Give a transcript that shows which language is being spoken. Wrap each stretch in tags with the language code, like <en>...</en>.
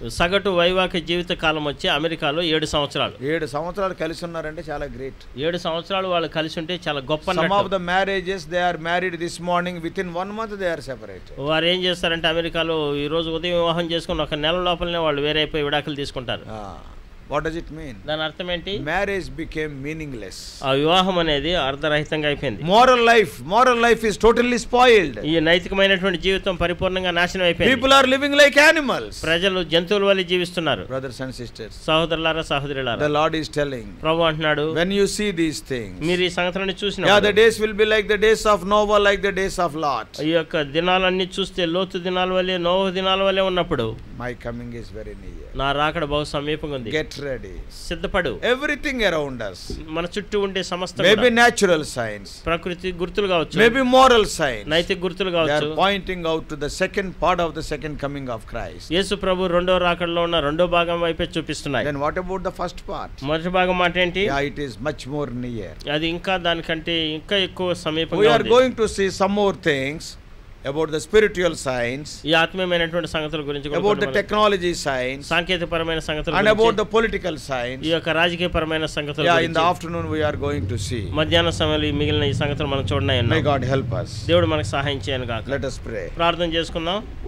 <te>సగటు వైవాహిక జీవిత కాలం వచ్చి అమెరికాలో 7 సంవత్సరాలు. 7 సంవత్సరాలు కలిసి ఉన్నారంటే చాలా గ్రేట్, 7 సంవత్సరాలు వాళ్ళు కలిసి ఉంటే చాలా గొప్ప.</te> <en>Some of the marriages they are married this morning, within 1 month they are separate.</en> <te>వారు ఏం చేస్తారంటే అమెరికాలో ఈ రోజు ఉదయం వివాహం చేసుకున్న ఒక నెల లోపలనే వాళ్ళు వేరైపోయి విడాకులు తీసుకుంటారు.</te> <en>What does it mean?</en> <te>దాని అర్థం ఏంటి?</te> <en>Marriage became meaningless.</en> <te>ఆ వివాహం అనేది అర్ధరహితంగా అయిపోయింది.</te> <en>Moral life is totally spoiled.</en> <te>ఈ నైతికమైనటువంటి జీవితం పరిపూర్ణంగా నాశనం అయిపోయింది.</te> <en>People are living like animals.</en> <te>ప్రజలు జంతువుల వలె జీవిస్తున్నారు.</te> <en>Brothers and sisters,</en> <te>సహోదరులారా సహోదరులారా,</te> <en>the Lord is telling,</en> <te>ప్రభు అంటున్నాడు,</te> <en>when you see these things,</en> <te>మీరు ఈ సంగతులను చూసినా,</te> <en>yeah, the days will be like the days of Noah, like the days of Lot.</en> <te>ఈ యొక్క దినాలన్నీ చూస్తే లోతు దినాల వలె, నోవహు దినాల వలె ఉన్నప్పుడు,</te> <en>my coming is very near.</en> <te>నా రాకడ బహు సమీపంగా ఉంది. సిద్ధపడు.</te> <en>everything around us,</en> <te>మన చుట్టూ ఉండే సమస్త,</te> <en>maybe natural science,</en> <te>ప్రకృతి గుర్తులు కావచ్చు,</te> <en>maybe moral science,</en> <te>నైతిక గుర్తులు కావచ్చు,</te> <en>Pointing out to the second part of the second coming of Christ.</en> <te>యేసు ప్రభు రెండో రాకడలో ఉన్న రెండో భాగం వైపే చూపిస్తున్నాయి.</te> <en>then what about the first part,</en> <te>మొదటి భాగం మాట ఏంటి?</te> <en>yeah, it is much more near,</en> <te>అది ఇంకా దానికంటే ఇంకా ఎక్కువ సమీపంగా ఉంది.</te> <en>we are going to see some more things about the spiritual science,</en> <te>ఈ ఆత్మీయమైనటువంటి సంగతుల గురించి,</te> <en>about the technology science,</en> <te>సాంకేతిక పరమైన సంగతుల గురించి,</te> <en>and about the political science,</en> <te>ఈ యొక్క రాజకీయ పరమైన సంగతుల గురించి.</te> <en>Yeah, in the afternoon we are going to see,</en> <te>మధ్యాహ్న సమయంలో ఈ మిగిలిన ఈ సంగతులు మనం చూడనే ఉన్నాం.</te> <en>May God help us,</en> <te>దేవుడు మనకు సహాయం చేయను గాక.</te> <en>Let us pray,</en> <te>ప్రార్థన చేసుకుందాం.</te>